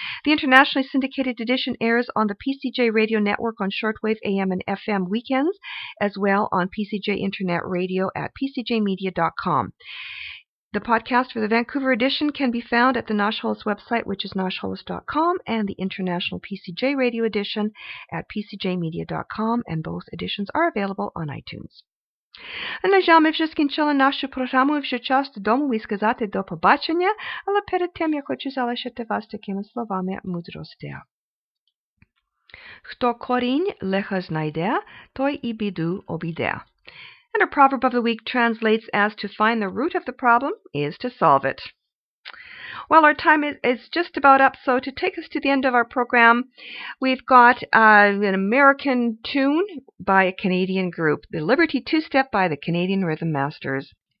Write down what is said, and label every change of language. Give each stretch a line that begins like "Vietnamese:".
English: The internationally syndicated edition airs on the PCJ Radio Network on shortwave AM and FM weekends, as well on PCJ Internet Radio at pcjmedia.com. The podcast for the Vancouver edition can be found at the Nash Holos website, which is noshholos.com, and the International PCJ Radio edition at pcjmedia.com, and both editions are available on iTunes.
Ukrainian: А на жаль, ми вже скінчили нашу програму, вже час додому і сказати до побачення, але перед тим я хочу залишити вас такими словами мудрості. Хто корінь лиха знайде, той і біду обійде.
English: And a proverb of the week translates as to find the root of the problem is to solve it. Well, our time is just about up, so to take us to the end of our program, we've got an American tune by a Canadian group, the Liberty Two-Step by the Canadian Rhythm Masters.